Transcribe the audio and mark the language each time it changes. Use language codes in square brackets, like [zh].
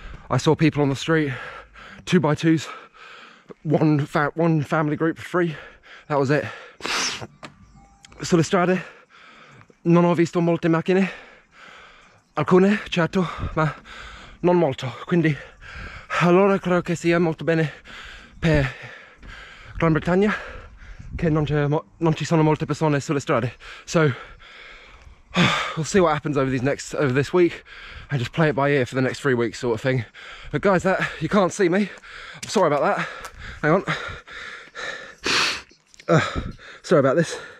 [en] I saw people on the street, 2x2s, one family group of 3, that was it. [it] Sulle strade non ho visto molte macchine, alcune certo, ma non molto. Quindi allora credo che sia molto bene per Gran Bretagna che non ci sono molte persone sulle strade. [en] So we'll see what happens over this week and just play it by ear for the next 3 weeks, sort of thing. But guys, that you can't see me, I'm sorry about that. Hang on. Sorry about this.